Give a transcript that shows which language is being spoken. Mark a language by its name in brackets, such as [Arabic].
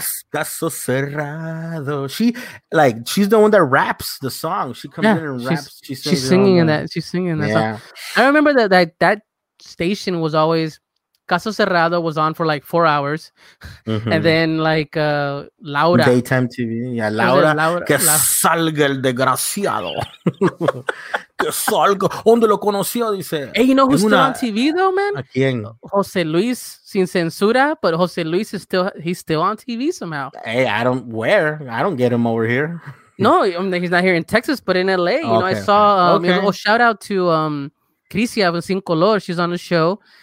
[Spanish] Caso cerrado. [English] She's the one that raps the song. She comes in and raps. She's singing that song. I remember that station was always Caso Cerrado was on for like 4 hours, mm-hmm. and then Laura daytime TV. Yeah, Laura. [Spanish] Que salga el desgraciado. Que salga. ¿Dónde lo conoció? Dice. [English] Hey, you know who's still on TV though, man? [Spanish] ¿A quién? [English] José Luis Sin Censura, but José Luis is still on TV somehow. Hey, I don't get him over here. No, I mean, he's not here in Texas, but in LA. You know, I saw. Shout out to Crisia of Sin Color. She's on the show.